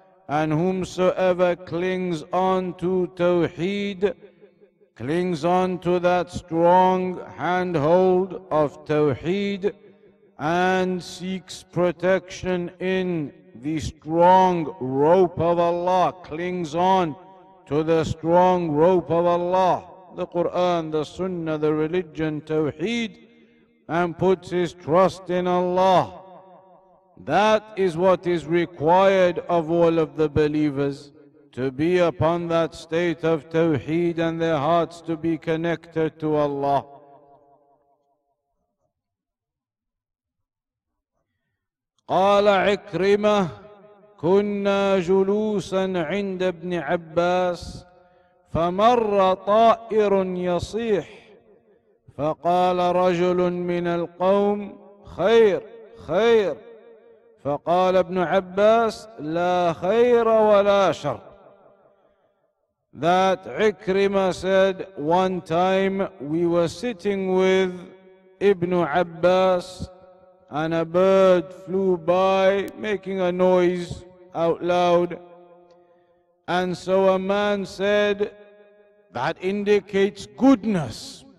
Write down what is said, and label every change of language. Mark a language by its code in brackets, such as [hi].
[en] And whomsoever clings on to Tawheed, clings on to that strong handhold of Tawheed, and seeks protection in the strong rope of Allah, clings on to the strong rope of Allah, the Quran, the Sunnah, the religion, Tawheed, and puts his trust in Allah. That is what is required of all of the believers, to be upon that state of Tawheed and their hearts to be connected to Allah. [ar] قال عكرمة كنا جلوسا عند ابن عباس فمر طائر يصيح فقال رجل من القوم خير خير فقال ابن عباس لا خير ولا شر. [en] That عكرمة said, one time we were sitting with ابن عباس and a bird flew by making a noise out loud, and so a man said, that indicates goodness.